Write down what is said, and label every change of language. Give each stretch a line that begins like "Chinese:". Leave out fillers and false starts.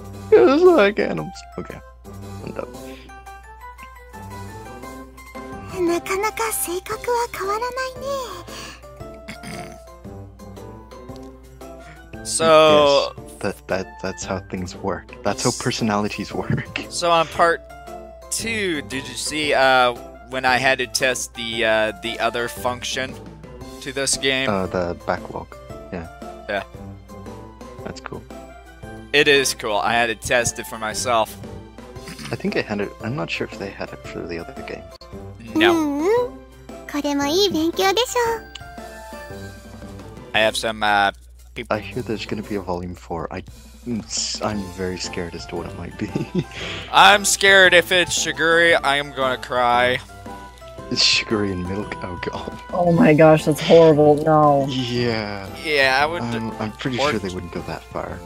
English: Just like animals. Okay. I'm done.
Japanese: なかなか性格は変わらないね。
English: So... Yes, that's how things work. That's how personalities work. So on part two, did you see, when I had to test the other function to this game. The backlog. Yeah. Yeah. That's cool. It is cool. I had to test it for myself. I think I had it. I'm not sure if they had it for the other games. No.
Japanese: これもいい勉強でしょ。
English: I have some I hear there's going to be a volume 4. I'm very scared as to what it might be. I'm scared if it's Shiguri, I'm going to cry. It's Shiguri and Milk? Oh god. Oh my gosh, that's horrible. No. Yeah. Yeah, I would. I'm pretty sure they wouldn't go that far.